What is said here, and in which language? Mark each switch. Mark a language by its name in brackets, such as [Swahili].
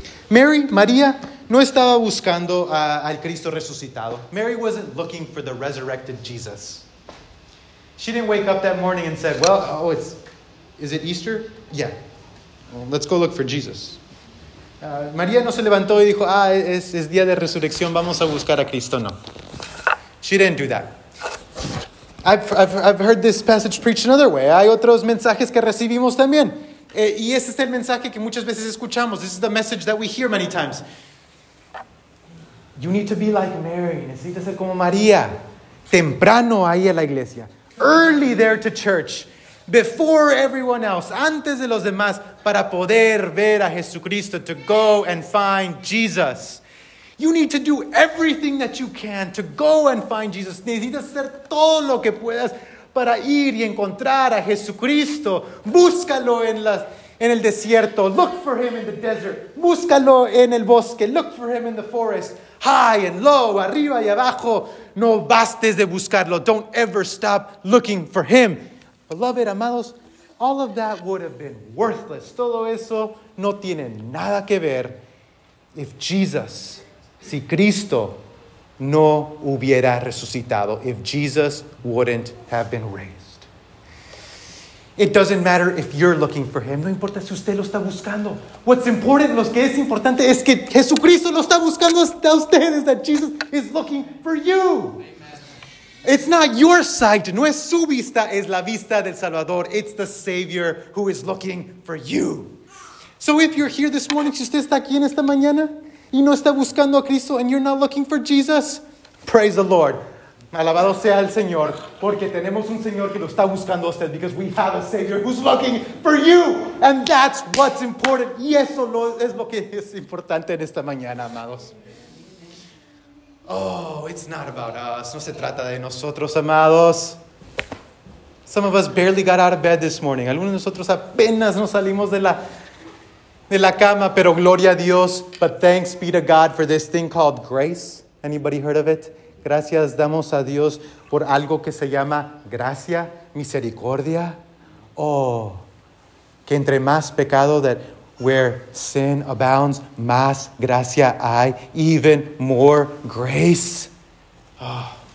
[Spanish] Mary, María, no estaba buscando al Cristo resucitado. [English] Mary wasn't looking for the resurrected Jesus. She didn't wake up that morning and said, well, oh, is it Easter? Yeah. Well, let's go look for Jesus. [Spanish] María no se levantó y dijo, es día de resurrección, vamos a buscar a Cristo. [English] No. She didn't do that. I've heard this passage preached another way. [Spanish] Hay otros mensajes que recibimos también. Y ese es el mensaje que muchas veces escuchamos. [English] This is the message that we hear many times. You need to be like Mary. [Spanish] Necesitas ser como María. Temprano ahí a la iglesia. [English] Early there to church. Before everyone else. [Spanish] Antes de los demás. Para poder ver a Jesucristo. [English] To go and find Jesus. You need to do everything that you can to go and find Jesus. [Spanish] Necesitas hacer todo lo que puedas para ir y encontrar a Jesucristo. Búscalo en el desierto. [English] Look for him in the desert. [Spanish] Búscalo en el bosque. [English] Look for him in the forest. High and low, [Spanish] arriba y abajo. No bastes de buscarlo. [English] Don't ever stop looking for him. Beloved, amados, all of that would have been worthless. [Spanish] Todo eso no tiene nada que ver [English] if Jesus... [Spanish] Si Cristo no hubiera resucitado, [English] if Jesus wouldn't have been raised. It doesn't matter if you're looking for him. [Spanish] No importa si usted lo está buscando. [English] What's important, [Spanish] lo que es importante es que Jesucristo lo está buscando a ustedes, [English] that Jesus is looking for you. It's not your sight. [Spanish] No es su vista, es la vista del Salvador. [English] It's the Savior who is looking for you. So if you're here this morning, [Spanish] si usted está aquí en esta mañana, y no está buscando a Cristo, [English] and you're not looking for Jesus, praise the Lord. [Spanish] Alabado sea el Señor, porque tenemos un Señor que lo está buscando a usted, [English] because we have a Savior who's looking for you, and that's what's important. [Spanish] Y eso es lo que es importante en esta mañana, amados. [English] Oh, it's not about us. [Spanish] No se trata de nosotros, amados. [English] Some of us barely got out of bed this morning. [Spanish] Algunos de nosotros apenas nos salimos de la cama, pero gloria a Dios. [English] But thanks be to God for this thing called grace. Anybody heard of it? [Spanish] Gracias damos a Dios por algo que se llama gracia, misericordia. Oh, que entre más pecado, [English] that where sin abounds, [Spanish] más gracia hay, [English] even more grace. [Spanish] Oh.